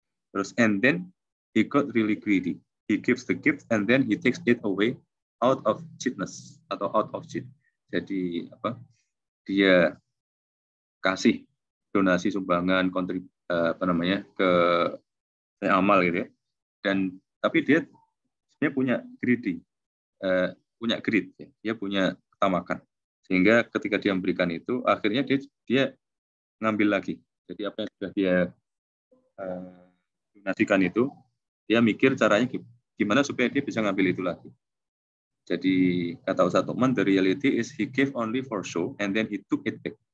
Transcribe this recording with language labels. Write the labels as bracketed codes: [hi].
[en] Terus and then he got really greedy, he gives the gift and then he takes it away out of cheapness atau out of cheap. [id] Jadi apa, dia kasih donasi sumbangan ke amal gitu ya, dan tapi dia sebenarnya punya greedy, punya greed, dia punya ketamakan, sehingga ketika dia memberikan itu akhirnya dia ngambil lagi. Jadi apa yang sudah dia donasikan itu, dia mikir caranya gimana supaya dia bisa ngambil itu lagi. Jadi kata [en] Ustaz Tukman, the reality is he gave only for show and then he took it back.